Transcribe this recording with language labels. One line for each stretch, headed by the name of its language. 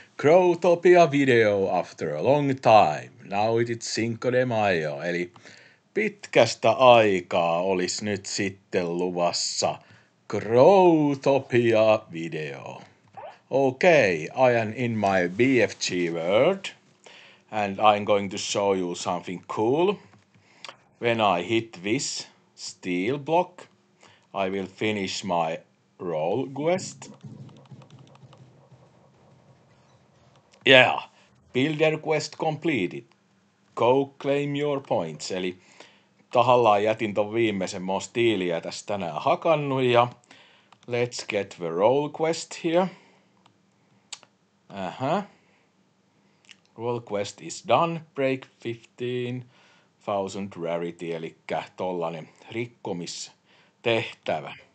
English: Crowtopia video after a long time. Now it is Cinco de Mayo.
Finnish: Eli pitkästä aikaa olisi nyt sitten luvassa Crowtopia video.
English: Okay, I am in my BFG world. And I'm going to show you something cool. When I hit this steel block, I will finish my roll quest. Yeah, builder quest completed. Go claim your points.
Finnish: Eli tahallaan jätin ton viimeisen mun stiiliä tässä tänään hakannut ja
English: let's get the roll quest here. Roll quest is done. Break 15,000 rarity,
Finnish: eli tollanen rikkomistehtävä.